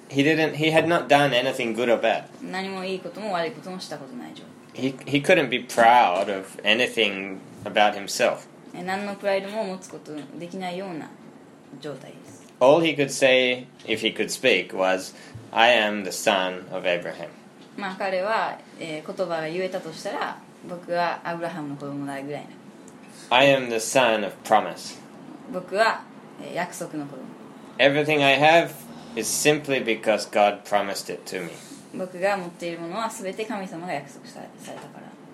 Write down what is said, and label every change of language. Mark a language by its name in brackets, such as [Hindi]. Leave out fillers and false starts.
[English] He had not done anything good or bad. [Japanese] 何もいいことも悪いこともしたことない状態。 [English] He couldn't be proud of anything about himself. [Japanese] 何のプライドも持つことできないような状態です。 [English] All he could say, if he could speak, was, I am the son of Abraham. [Japanese] まあ、彼は、言葉が言えたとしたら、僕はアブラハムの子供だぐらいな。 [English] I am the son of promise. [Japanese] 僕は約束の子供。 [English] Everything I have is simply because God promised it to me. [Japanese] 僕が持っているものはすべて神様が約束されたから。